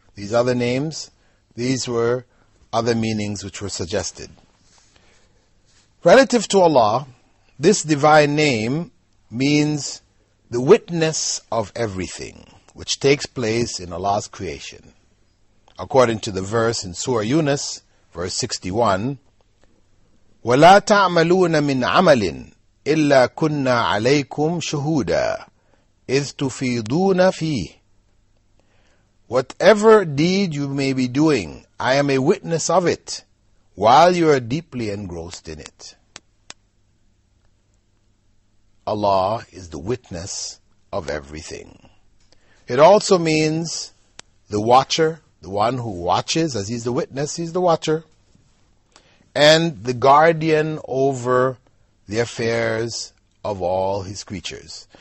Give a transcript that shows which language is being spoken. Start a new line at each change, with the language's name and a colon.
English: These other names, these were other meanings which were suggested. Relative to Allah, this divine name means the witness of everything which takes place in Allah's creation. According to the verse in Surah Yunus, verse 61,
Arabic: وَلَا تَعْمَلُونَ مِنْ عَمَلٍ إِلَّا كُنَّا عَلَيْكُمْ شُهُودًا إِذْ تُفِيضُونَ فِيهِ.
English: Whatever deed you may be doing, I am a witness of it, while you are deeply engrossed in it. Allah is the witness of everything. It also means the watcher, the one who watches, as he's the witness, he's the watcher, and the guardian over the affairs of all his creatures.